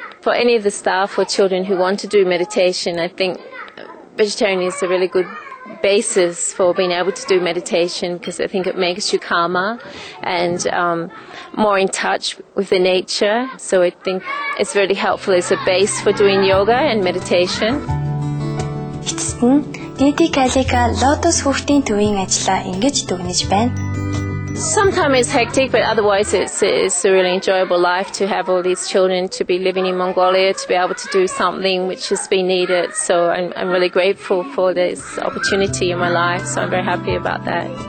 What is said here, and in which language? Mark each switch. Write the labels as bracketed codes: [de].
[en] For any of the staff or children who want to do meditation, I think vegetarian is a really good basis for being able to do meditation, because I think it makes you calmer and more in touch with the nature. So I think it's really helpful as a base for doing yoga and meditation. [mn] Эцэст нь DD Calica Lotus хүүхдийн төвийн ажлаа ингэж дүгнэж байна. [en] Sometimes it's hectic, but otherwise it's a really enjoyable life to have all these children, to be living in Mongolia, to be able to do something which has been needed. So I'm really grateful for this opportunity in my life, so I'm very happy about that.